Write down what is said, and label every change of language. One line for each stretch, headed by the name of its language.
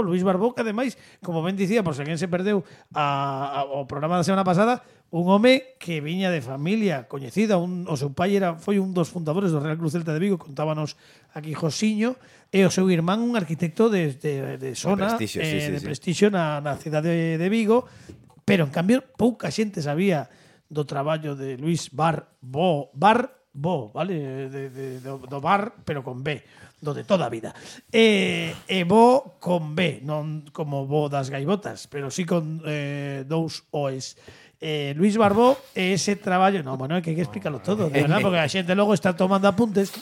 Galician: Luis Barbó, que ademais, como ben dicía, por se alguén se perdeu o programa da semana pasada, un home que viña de familia coñecida, o seu pai foi un dos fundadores do Real Club Celta de Vigo, contábanos aquí Josiño, e o seu irmán un arquitecto de zona, de prestixio na cidade de Vigo, pero en cambio pouca xente sabía do traballo de Luis Barbó, vale? Do bar, pero con B, do de toda a vida. E bo con B, non como bo das gaivotas, pero sí con dous O's. Luis Barbó, ese traballo...
Spanish: No, bueno, hay que explicarlo todo, de verdad, porque
Galician: a xente logo está tomando apuntes.